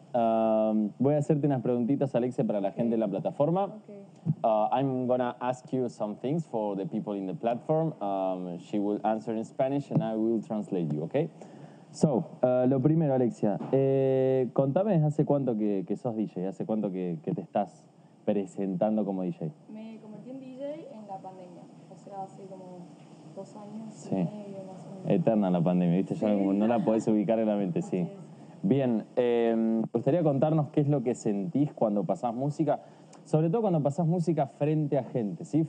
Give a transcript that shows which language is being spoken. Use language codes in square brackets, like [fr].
[es] Voy a hacerte unas preguntitas, Alexia, para la gente de la plataforma. [en] Okay. I'm going to ask you some things for the people in the platform. She will answer in Spanish and I will translate you, okay? [es] So, lo primero, Alexia, contame desde hace cuánto que sos DJ, hace cuánto que te estás presentando como DJ. Me convertí en DJ en la pandemia, o sea, hace como 2 años. Sí. Eterna la pandemia, ¿viste? Ya no la podés ubicar en la mente, sí. Bien, gustaría contarnos qué es lo que sentís cuando pasás música, sobre todo cuando pasás música frente a gente, ¿sí?